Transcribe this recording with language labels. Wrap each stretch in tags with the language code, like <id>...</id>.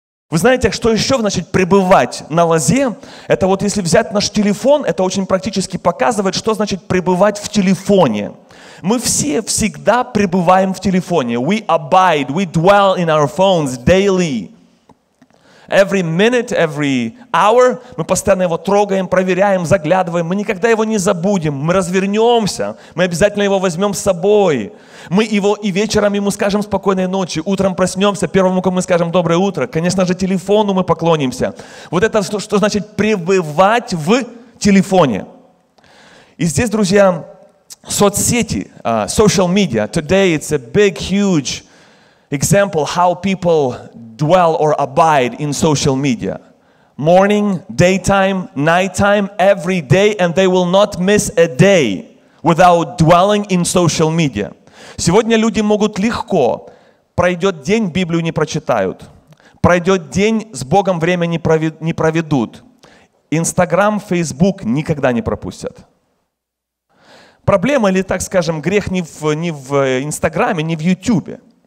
<ru>Вы знаете, что еще значит пребывать на лозе? Это вот если взять наш телефон, это очень практически показывает, что значит пребывать в телефоне. Мы все всегда пребываем в телефоне.</ru> <en>We abide, we dwell in our phones daily. Every minute, every hour</en> <ru>мы постоянно его трогаем, проверяем, заглядываем. Мы никогда его не забудем. Мы развернемся, мы обязательно его возьмем с собой. Мы его и вечером ему скажем спокойной ночи, утром проснемся, первому, кому мы скажем доброе утро. Конечно же, телефону мы поклонимся. Вот это что значит пребывать в телефоне. И здесь, друзья, соцсети, social media.</ru> <en>Today it's a big, huge example how people dwell or abide in social media. Morning, daytime, nighttime, every day, and they will not miss a day without dwelling in social media.</en> <ru>Сегодня люди могут легко, пройдет день, Библию не прочитают, пройдет день, с Богом время не проведут, Instagram, Facebook никогда не пропустят. Проблема, или так скажем, грех не в Инстаграме, не в Ютубе.</ru>